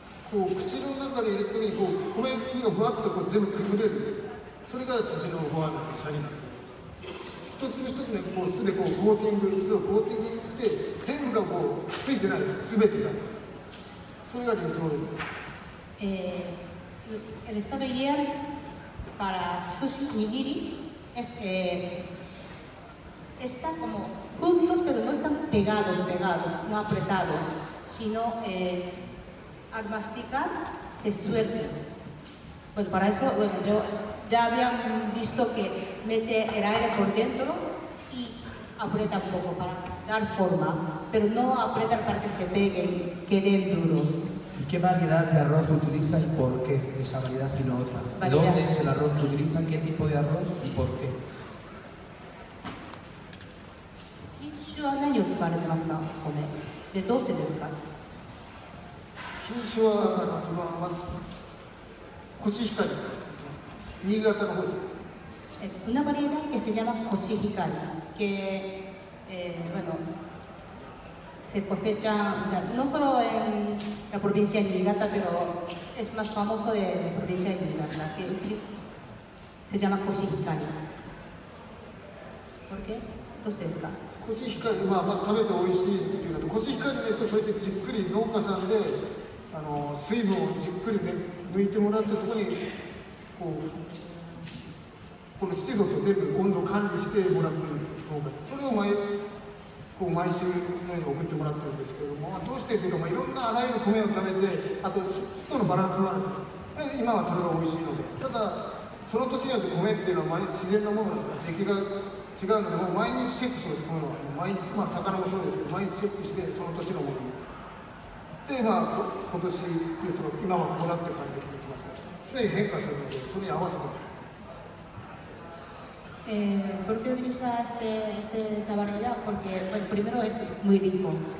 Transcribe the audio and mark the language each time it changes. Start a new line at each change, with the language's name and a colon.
Japanese: こう口の中で入れた時にこう米粒がふわっとこう全部崩れる、それが寿司のフォアのシャリなんです。一粒一粒ね、こう酢でこうコーティング、酢をコーティングして全部がこうくっついてないです、すべてが。それが理想です。
Spanish: El estado ideal para sushi nigiri es está como juntos pero no están pegados, no apretados, sino al masticar se suelta. Bueno, para eso bueno, yo ya había visto que mete el aire por dentro y aprieta un poco para dar forma, pero no aprieta para que se peguen, queden duros. ¿Y qué variedad de arroz utiliza y por qué esa variedad y no otra? ¿Dónde es el arroz que utiliza? ¿Qué tipo de arroz y por qué? ¿De dónde es?
Japanese: 品種は一番まずコシヒカリ、新潟の方で。
Spanish: una variedad que se llama コシヒカリ、que bueno se cosecha, o sea, no solo en la provincia de Niigata, pero es más famoso de la provincia de Niigata, que se llama コシヒカリ。 porque entonces la
Japanese: コシヒカリ まあ食べて美味しいっていうのと、コシヒカリのやつはそうやってじっくり農家さんで、水分をじっくりね、抜いてもらって、そこにこの湿度と全部温度管理してもらってるんです。それを毎週ね、送ってもらってるんですけども、どうしてっていうか、いろんなあらゆる米を食べて、あと湿度のバランスもあるんです。今はそれが美味しいので、ただその年によって米っていうのは自然のものなので、出来が 違うので、毎日チェックします。この毎日、魚もそうですけど、毎日チェックして、その年のものに。で、今年ですと、今はこうなってる感じで聞いてます。常に変化するので、それに合わせて。
Spanish: ¿Por qué utiliza esa variedad? Porque, bueno, primero es muy rico.